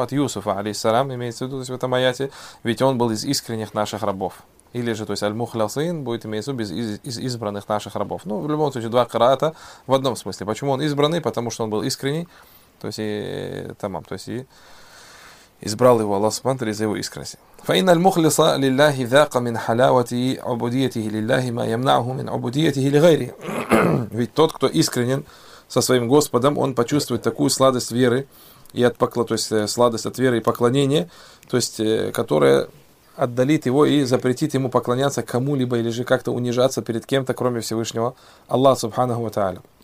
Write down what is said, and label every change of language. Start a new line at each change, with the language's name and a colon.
Russian: От Юсуфа, алейхиссалам, имеется в виду, то есть в этом аяте. Ведь он был из искренних наших рабов. Или же, то есть аль-мухлисин будет иметь в виду из избранных наших рабов. Ну, в любом случае, два хираата в одном смысле. Почему он избранный? Потому что он был искренний. То есть и тамам, то есть и избрал его Аллах Субхану Тааля из-за его искренности.
Arabic: فإن المخلص لله ذاق من حلاوة عبوديته لله ما يمنعه من عبوديته لغيره.
Russian: Ведь тот, кто искренен со своим Господом, он почувствует такую сладость веры и сладость от веры и поклонения, то есть которая отдалит его и запретит ему поклоняться кому-либо или же как-то унижаться перед кем-то, кроме Всевышнего Аллаха Субханаху ва Тааля.